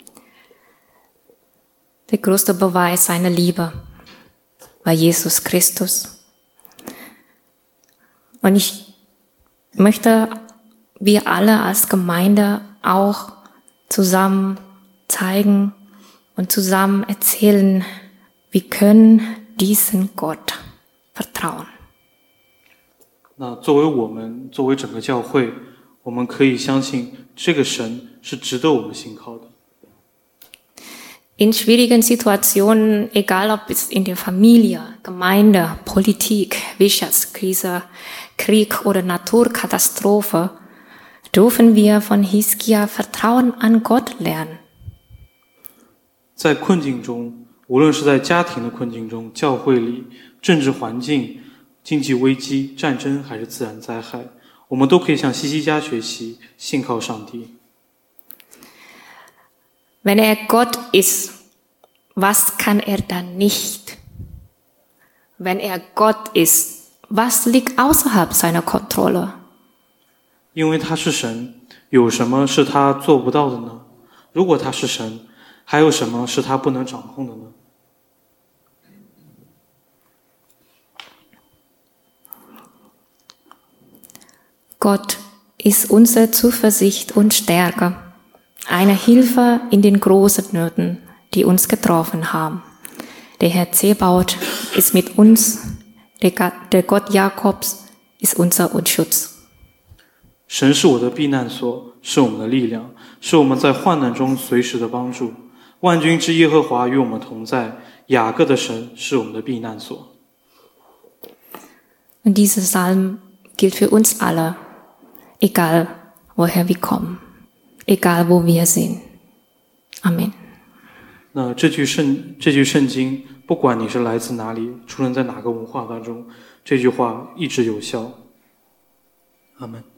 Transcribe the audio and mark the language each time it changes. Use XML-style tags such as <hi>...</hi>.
<zh>当当耶稣在各个他大声呼喊以利以利撒玛撒巴哥大尼我的神我的神你为什么离弃我在他问出这句话的时候没有回答然后他为你为我为这个世界死去。The</zh> <de>größte Beweis seiner Liebe war Jesus Christus. Und ich möchte wir alle als Gemeinde auch zusammen zeigen und zusammen erzählen, wir können diesen Gott vertrauen.</de> <zh>那作为我们，作为整个教会， 我们可以相信这个神是值得我们信靠的。</zh> <de>In schwierigen Situationen, egal ob es in der Familie, Gemeinde, Politik, Wirtschaftskrise, Krieg oder Naturkatastrophe, dürfen wir von Hiskia Vertrauen an Gott lernen.</de> <zh>在困境中, 无论是在家庭的困境中, 教会里, 政治环境, 经济危机, 战争, 还是自然灾害, 我们都可以向西西家学习, 信靠上帝。</zh> <de>Wenn er Gott ist, was kann er dann nicht? Wenn er Gott ist, was liegt außerhalb seiner Kontrolle?</de> <zh>因为他是神, 有什么是他做不到的呢? 如果他是神, 还有什么是他不能掌控的呢?</zh> <de>Gott ist unsere Zuversicht und Stärke, eine Hilfe in den großen Nöten, die uns getroffen haben. Der Herr Zebaoth ist mit uns, der Gott Jakobs ist unser Schutz.</de> <zh>神是我的避难所,是我们的力量,是我们在患难中随时的帮助。万军之耶和华与我们同在,雅各的神是我们的避难所。</zh> <de>Und dieser Psalm gilt für uns alle, egal woher wir kommen, egal wo wir sind. Amen.</de> <zh>那这句圣经，不管你是来自哪里，出生在哪个文化当中，这句话一直有效。阿门。</zh>